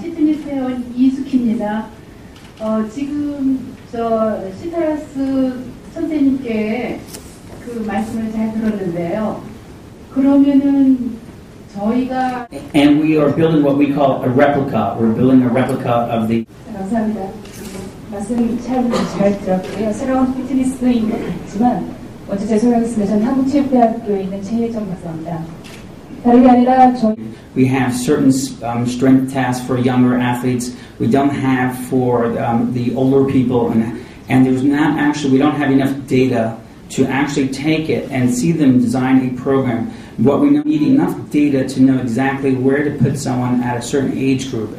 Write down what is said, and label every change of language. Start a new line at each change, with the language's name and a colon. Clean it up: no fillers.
Korean: 시트니스 회원 이숙희입니다. 지금 저 시타라스 선생님께 그 말씀을 잘 들었는데요. 그러면은 저희가
English: And we are building what we call a replica. We're building a replica of the
Korean: 감사합니다. 말씀 잘 들었고요. 새로운 피트니스인 것 같지만 먼저 죄송하겠습니다. 저는 한국체육대학교에 있는 최혜정 박사입니다. 다르게 아니라 저희
English: We have certain strength tasks for younger athletes. We don't have for the older people. And there's not actually, we don't have enough data to actually take it and see them design a program. What we need enough data to know exactly where to put someone at a certain age group.